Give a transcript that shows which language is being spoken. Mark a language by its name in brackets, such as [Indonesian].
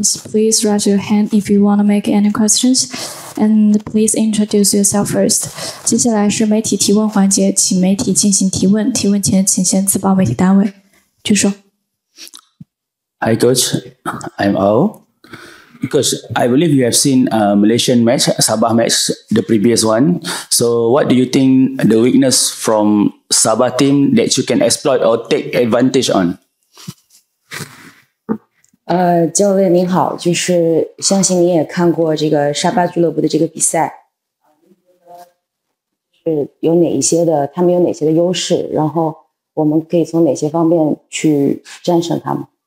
[English] Please raise your hand if you want to make any questions, and please introduce yourself first. [Chinese] 接下来是媒体提问环节，请媒体进行提问。提问前，请先自报媒体单位。举手。 [English] Hi, Coach. I'm Ao. Because I believe you have seen a Malaysian match, Sabah match, the previous one. So, what do you think the weakness from Sabah team that you can exploit or take advantage on? [Chinese] 教练您好，就是相信你也看过这个沙巴俱乐部的这个比赛，是有哪一些的，他们有哪些的优势，然后我们可以从哪些方面去战胜他们？